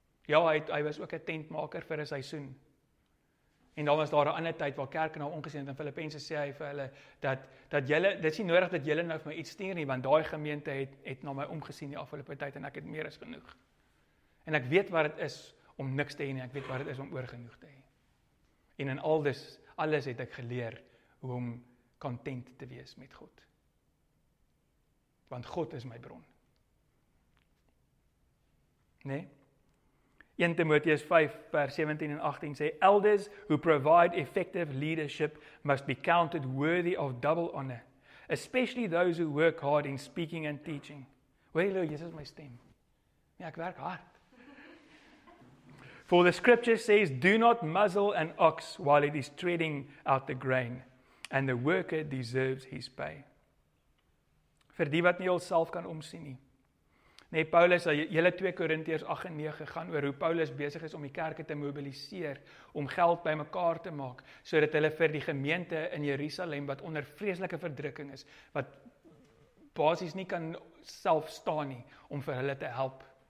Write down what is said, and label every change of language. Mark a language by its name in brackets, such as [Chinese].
[Afrikaans] Ja, hy was ook 'n tentmaker vir 'n seisoen. En dan was daar 'n ander tyd waar kerke nou omgesien het en Filippense sê hy vir hulle dat julle dit is nie nodig dat julle nou vir my iets stuur nie want daai gemeente het na my omgesien die afgelope tyd en ek het meer as genoeg. En ek weet wat dit is om niks te hê nie. Ek weet wat dit is om oor genoeg te hê. En in alles het ek geleer hoe om content te wees met God. Want God is my bron. Nee? 1 Timoteus 5 vers 17 en 18 sê [English] elders who provide effective leadership must be counted worthy of double honor, especially those who work hard in speaking and teaching. [Afrikaans] Hoor jy, Jesus my stem. Ja, ek werk hard. [English] For the scripture says, do not muzzle an ox while it is treading out the grain, and the worker deserves his pay. [Afrikaans] Vir die wat nie jouself kan omsien nie. Nee, Paulus, julle 2 Korintiërs 8 en 9 gaan oor hoe Paulus besig is om die kerke te mobiliseer, om geld by mekaar te maak, sodat hulle vir die gemeente in Jerusalem, wat onder vreselike verdrukking is, wat basies nie kan self staan nie, om vir hulle te help.